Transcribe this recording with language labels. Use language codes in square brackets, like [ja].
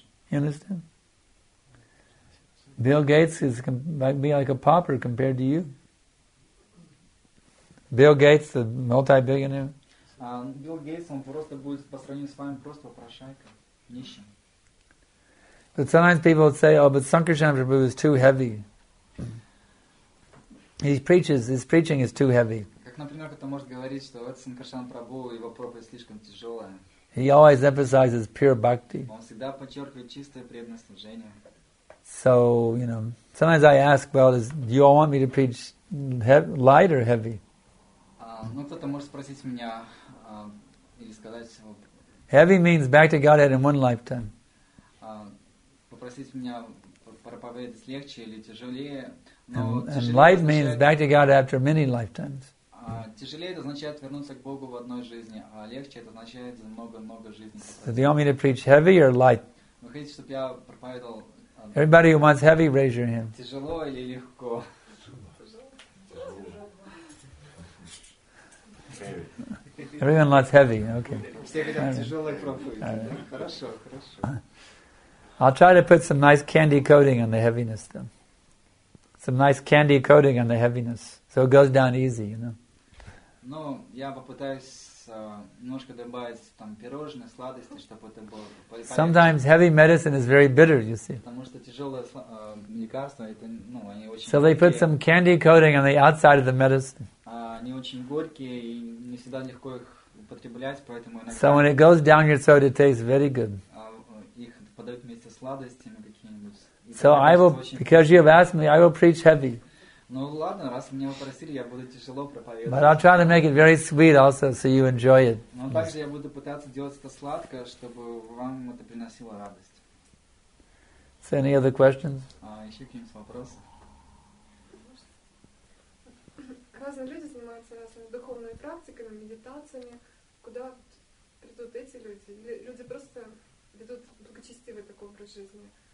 [en] You understand? Bill Gates might be like a pauper compared to you. Bill Gates, the multi-billionaire. [ru] Bill Gates, он просто будет по сравнению с вами просто попрошайка, нищим. [en] But sometimes people would say, "Oh, but Sankarshan Prabhu is too heavy. His preaching is too heavy." [ru] Как, например, кто-то может говорить, что вот Санкаршан Прабху, его проповедь слишком тяжелая. [en] He always emphasizes pure bhakti. [ru] Он всегда подчеркивает чистое преданное служение. [en] So, you know, sometimes I ask, well, do you all want me to preach light or heavy? [ru] Кто-то может спросить меня или сказать, вот. [en] Heavy means back to Godhead in one lifetime. [ru] Попросить меня проповедовать легче или тяжелее. [en] And light means back to God after many lifetimes. [ru] Тяжелее это означает вернуться к Богу в одной жизни, а легче это означает за много-много жизней. [en] So do you want me to preach heavy or light? [ru] Вы хотите, чтобы я проповедовал? [en] Everybody who wants heavy, raise your hand. [ru] Тяжело или легко? [en] Everyone wants heavy, okay. [ru] Все хотят тяжелой проповеди. Хорошо, хорошо. [en] I'll try to put some nice candy coating on the heaviness, though. Some nice candy coating on the heaviness, so it goes down easy, you know. [ru] Но я попытаюсь немножко добавить там пирожные, сладости, чтобы это было. [en] Sometimes heavy medicine is very bitter, you see. [ru] Потому что тяжелые лекарства, это, ну, они очень. [en] So they put some candy coating on the outside of the medicine. [ru] Они очень горькие и не всегда легко их употреблять, поэтому. [en] So when it goes down your throat, it tastes very good. [ru] Их подают вместе с сладостями какие-нибудь. [en] So I will, because you have asked me, I will preach heavy. [ru] Ну ладно, раз меня попросили, я буду тяжело проповедовать. [en] But I'll try to make it very sweet also, so you enjoy it. [ru] Но также я буду пытаться делать это сладко, чтобы вам это приносило радость. [en] So any other questions? [ru] Еще какие-нибудь вопросы? Разные люди занимаются разными духовными практиками, медитациями. Куда придут эти люди? Люди просто ведут благочестивый такой образ жизни.